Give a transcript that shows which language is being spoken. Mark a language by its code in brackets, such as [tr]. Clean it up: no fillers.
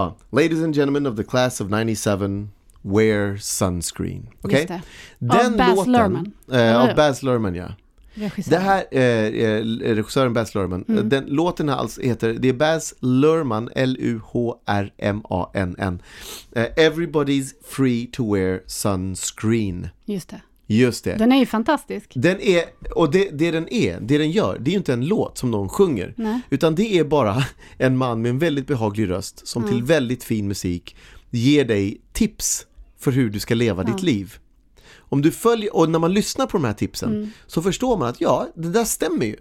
[en] Ladies and gentlemen of the class of 97, wear sunscreen. Okay? [sv] Just det. Av Baz Luhrmann. Av Baz Luhrmann, ja. Det här är regissören Baz Luhrmann. Mm. Den låten alltså heter, det är Baz Luhrmann, Luhrmann. [en] Everybody's free to wear sunscreen. [sv] Just det. Den är ju fantastisk. Den är, och det den gör, det är ju inte en låt som någon sjunger. Nej. Utan det är bara en man med en väldigt behaglig röst som till väldigt fin musik ger dig tips för hur du ska leva ditt liv. Om du följer, och när man lyssnar på de här tipsen så förstår man att ja, det där stämmer ju.